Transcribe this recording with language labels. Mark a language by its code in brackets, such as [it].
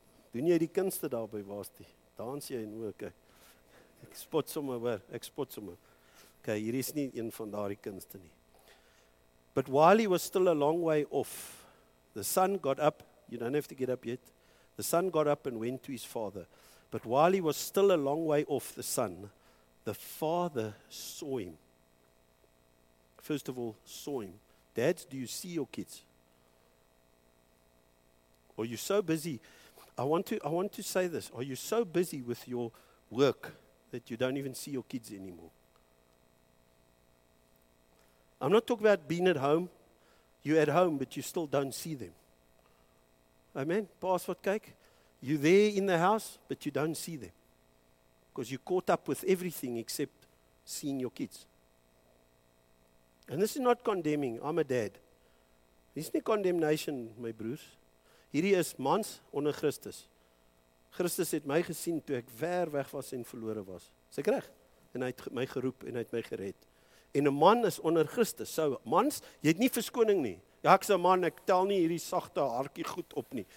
[af] Doen jy die kunste daarby, waar is die? Dans jy en ook, ek spot sommer waar, ek spot sommer. Ok, hier is nie een van daardie kunste nie. [en] But while he was still a long way off, the son got up, you don't have to get up yet, the son got up and went to his father. But while he was still a long way off, the son, the father saw him. First of all, saw him. Dads, do you see your kids? Or you're so busy, I want to say this, are you so busy with your work that you don't even see your kids anymore? I'm not talking about being at home. You're at home, but you still don't see them. Amen? Pass what cake? You're there in the house, but you don't see them. Because you're caught up with everything except seeing your kids. And this is not condemning. I'm a dad. This is not condemnation, my Bruce. [af] Hierdie is mans onder Christus. Christus het my gesien toe ek ver weg was en verlore was. Is ek reg? En hy het my geroep en hy het my gered. En 'n man is onder Christus. So, mans, jy het nie verskoning nie. Ja, ek is 'n man, ek tel nie hierdie sagte hartjie goed op nie.